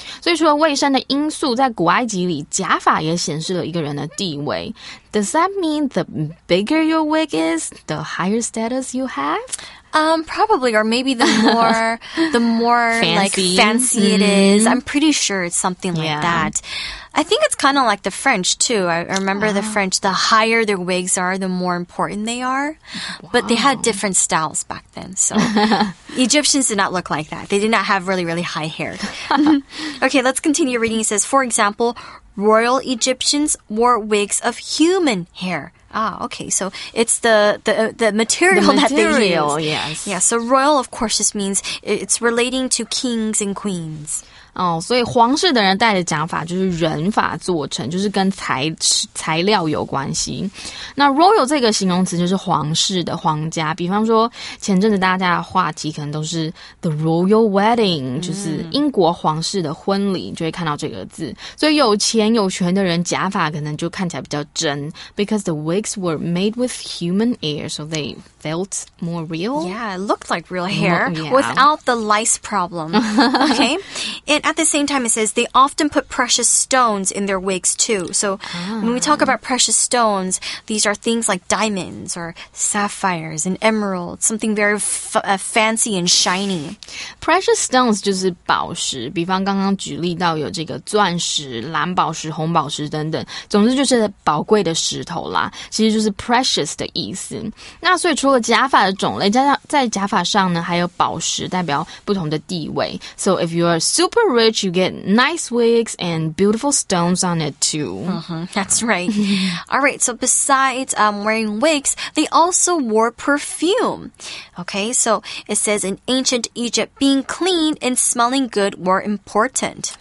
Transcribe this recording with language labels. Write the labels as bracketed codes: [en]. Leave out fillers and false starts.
[zh] 所以除了卫生的因素，在古埃及里，假发也显示了一个人的地位。 [en] Does that mean the bigger your wig is, the higher status you have? Probably, or maybe the more fancy. Like, fancy it is. I'm pretty sure it's something like that. I think it's kind of like the French, too. I remember the French, the higher their wigs are, the more important they are. Wow. But they had different styles back then, so Egyptians did not look like that. They did not have really, really high hair. Okay, let's continue reading. It says, for example, royal Egyptians wore wigs of human hair. Ah, okay, so it's the material that they use. Yes. Yeah, so royal, of course, just means it's relating to kings and queens. [zh] Oh, 所以皇室的人戴的假发就是人发做成，就是跟材料有关系。那 royal 这个形容词就是皇室的皇家，比方说前阵子大家的话题可能都是 [en] the royal wedding, [zh] 就是英国皇室的婚礼，就会看到这个字。所以有钱有权的人假发可能就看起来比较真 ， [en] because the wigs were made with human hair, so they felt more real. Yeah, it looked like real hair without the lice problem. Okay. And at the same time, it says they often put precious stones in their wigs, too. So when we talk about precious stones, these are things like diamonds or sapphires and emeralds, something very fancy and shiny. [zh] Precious stones 就是宝石，比方刚刚举例到有这个钻石、蓝宝石、红宝石等等，总之就是宝贵的石头啦，其实就是 precious 的意思。那所以除了假发的种类，在假发上呢，还有宝石代表不同的地位。 [en] So if you are super rich, you get nice wigs and beautiful stones on it too. Mm-hmm, that's right. All right, so besides wearing wigs, they also wore perfume. Okay, so it says in ancient Egypt, being clean and smelling good were important.